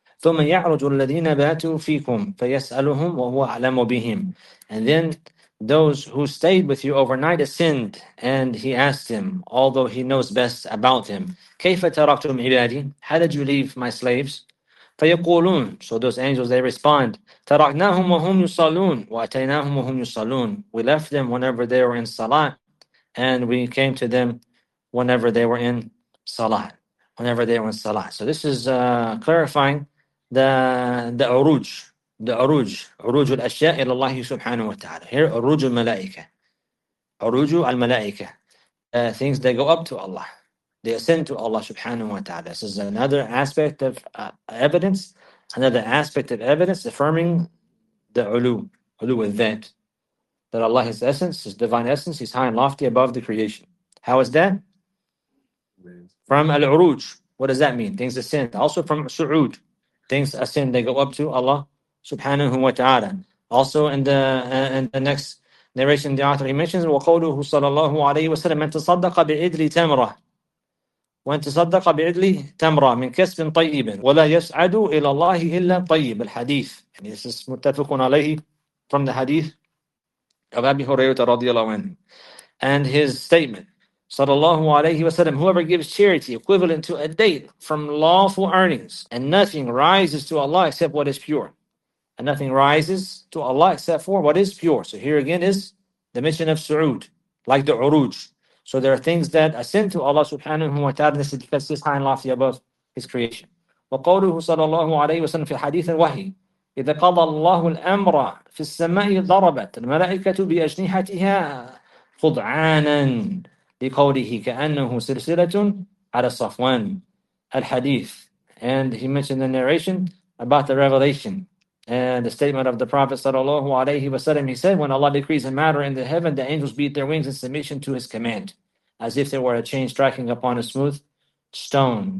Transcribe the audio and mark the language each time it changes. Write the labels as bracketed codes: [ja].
[ar] ثُمَّ يَعْرُجُ الَّذِينَ بَاتُوا فِيكُمْ فَيَسْأَلُهُمْ وَهُوَ أَعْلَمُ بِهِمْ. [en] And then those who stayed with you overnight ascend, and he asked him, although he knows best about him, [ar] كَيْفَ تَرَكْتُمْ عِبَادِي. [en] How did you leave my slaves? [ar] فَيَقُولُونَ. [en] So those angels, they respond, [ar] تَرَكْنَاهُمْ وَهُمْ يُصَلُونَ وَأَتَيْنَاهُمْ وَهُمْ يُصَلُونَ. [en] We left them whenever they were in salah, and we came to them whenever they were in salah. Whenever they were in salah. So this is clarifying the uruj. The Uruj, Uruj al-Ashya ila Allah subhanahu wa ta'ala. Here, Uruj al-Malaika. Uruj al-Malaika. Things that go up to Allah. They ascend to Allah subhanahu wa ta'ala. This is another aspect of evidence. Another aspect of evidence affirming the Ulu. Ulu with that. That Allah, His essence, His divine essence, He's high and lofty above the creation. How is that? From Al-Uruj. What does that mean? Things ascend. Also from Su'ud. Things ascend, they go up to Allah subhanahu wa ta'ala. Also in the next narration, the author, he mentions, [ar] وَقَوْلُهُ صَلَى عَلَيْهِ وَسَلَمَ مَنْ تَصَدَّقَ بِعِدْلِ تَمْرَةٍ وَنْ تَصَدَّقَ بِعِدْلِ تَمْرَةٍ مِنْ كَسْبٍ طَيِّبٍ وَلَا يَسْعَدُ إِلَى اللَّهِ إِلَّا طَيِّبٍ الحديث. [en] And this is muttafaqun alayhi from the hadith of Abi Hurayrah radiallahu anhu. And his statement, sallallahu alayhi wa sallam, whoever gives charity equivalent to a date from lawful earnings, and nothing rises to Allah except what is pure. And nothing rises to Allah except for what is pure. So here again is the mention of su'ud, like the uruj. So there are things that ascend to Allah subhanahu wa ta'ala, this is because it's high and lofty above His creation. [ar] وَقَوْلُهُ صَلَى اللَّهُ عَلَيْهِ وَسَلَّمَ فِي الْحَدِيثِ الْوَحِيِّ إِذَا قَضَى اللَّهُ الْأَمْرَ فِي السَّمَاءِ ضَرَبَتْ الْمَلَائِكَةُ بِأَجْنِحَتِهَا خُضْعَانًا بقوله كأنه سلسلة على الصفوان الحديث. [en] And he mentioned the narration about the revelation and the statement of the Prophet sallallahu alayhi wa sallam. He said, when Allah decrees a matter in the heaven, the angels beat their wings in submission to his command, as if there were a chain striking upon a smooth stone.